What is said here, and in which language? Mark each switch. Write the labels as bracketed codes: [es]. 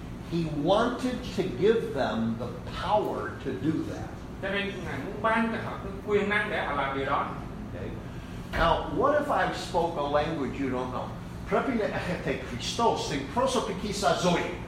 [en] He wanted to give them the power to do that. [vi] Cho nên Ngài muốn ban cho họ cái quyền năng để họ làm điều đó. [en] Okay. Now, what if I spoke a language you don't know? [el] Prepine ete Christos, in prosopikisa zoi.